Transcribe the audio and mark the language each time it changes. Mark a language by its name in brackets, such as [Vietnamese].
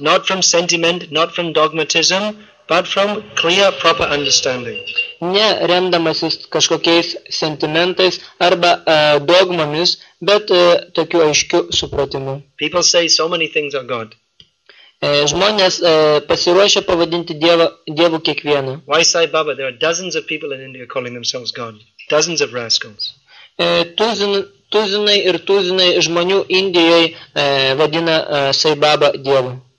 [English] Not from sentiment, not from dogmatism, but from clear, proper understanding. [Lithuanian] Ne remdamasis kažkokiais sentimentais arba dogmomis, bet tokiu aiškiu supratimu. [English] People say so many things are God. [Lithuanian] Žmonės pasiruošia pavadinti Dievu kiekvieną. [English] Why Sai Baba? There are dozens of people in India calling themselves God. Dozens of rascals. [Lithuanian] Tuzinai ir tuzinai žmonių Indijoje vadina Sai Baba Dievu.